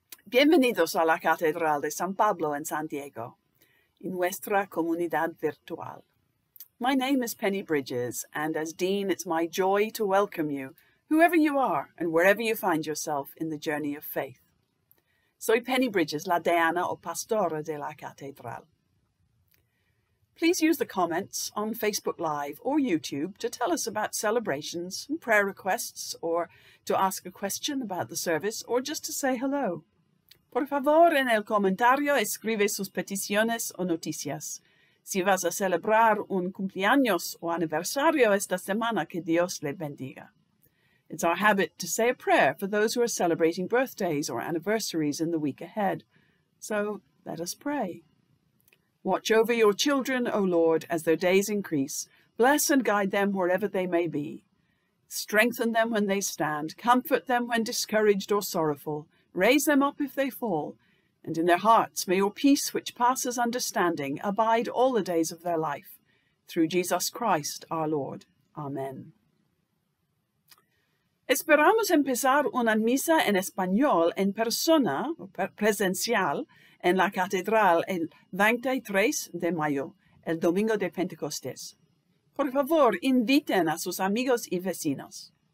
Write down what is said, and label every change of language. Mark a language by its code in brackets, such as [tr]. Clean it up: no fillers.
[es] Bienvenidos a la Catedral de San Pablo en San Diego, en nuestra comunidad virtual. [en] My name is Penny Bridges, and as Dean, it's my joy to welcome you, whoever you are and wherever you find yourself in the journey of faith. [es] Soy Penny Bridges, la deana o pastora de la Catedral. [en] Please use the comments on Facebook Live or YouTube to tell us about celebrations and prayer requests, or to ask a question about the service, or just to say hello. [es] Por favor, en el comentario, escribe sus peticiones o noticias. Si vas a celebrar un cumpleaños o aniversario esta semana, que Dios le bendiga. [en] It's our habit to say a prayer for those who are celebrating birthdays or anniversaries in the week ahead. So let us pray. Watch over your children, O Lord, as their days increase. Bless and guide them wherever they may be. Strengthen them when they stand. Comfort them when discouraged or sorrowful. Raise them up if they fall. And in their hearts may your peace, which passes understanding, abide all the days of their life. Through Jesus Christ, our Lord. Amen. [es] Esperamos empezar una misa en español en persona, presencial, en la Catedral el 23 de mayo, el Domingo de Pentecostés. Por favor, inviten a sus amigos y vecinos.